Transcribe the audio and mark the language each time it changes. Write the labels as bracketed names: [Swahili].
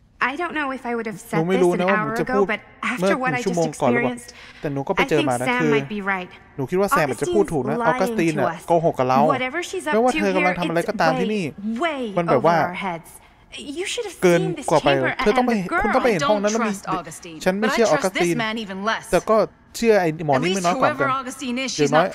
[English] I don't know if I would have said this an hour ago but after what I just experienced [Thai] แต่หนูก็ไปเจอมานะคือหนูคิดว่าแซมอาจจะพูดถูกนะออกัสตินน่ะโกหกกับเราไม่ว่าเธอกำลังทำอะไรก็ตามที่นี่มันแบบว่า [English] You should have seen this paper and the girl. I don't trust Augustine. But I trust this man even less. But I trust this man even less.